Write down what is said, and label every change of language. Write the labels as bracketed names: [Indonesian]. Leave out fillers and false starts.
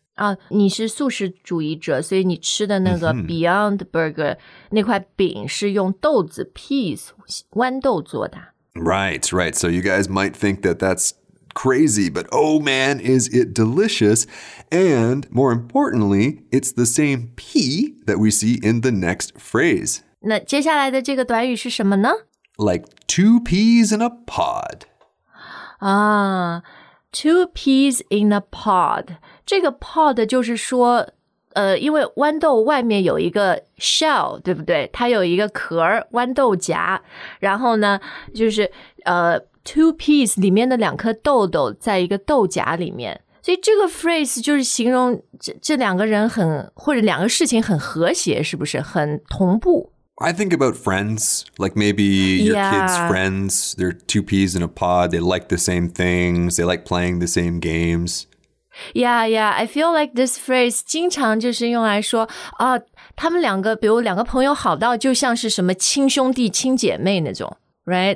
[Chinese] 啊，你是素食主义者，所以你吃的那个 Beyond Burger 那块饼是用豆子 peas 豌豆做的。 [English] Right, right. So you guys might think that that's crazy, but oh man, is it delicious! And more importantly, it's the same pea that we see in the next phrase. [Chinese] 那接下来的这个短语是什么呢？ [English] Like two peas in a pod. 啊。Two peas in a pod. [Chinese] 这个 pod 就是说因为豌豆外面有一个 shell, 对不对？它有一个壳豌豆荚。然后呢就是two peas 里面的两颗豆豆在一个豆荚里面。所以这个 phrase 就是形容 这两个人很或者两个事情很和谐，是不是很同步。 [English] I think about friends, like maybe your kids' friends, they're two peas in a pod, they like the same things, they like playing the same games. Yeah, yeah, I feel like this phrase [Chinese] 经常就是用来说啊，他们两个，比如两个朋友好到就像是什么亲兄弟、亲姐妹那种， [English] right?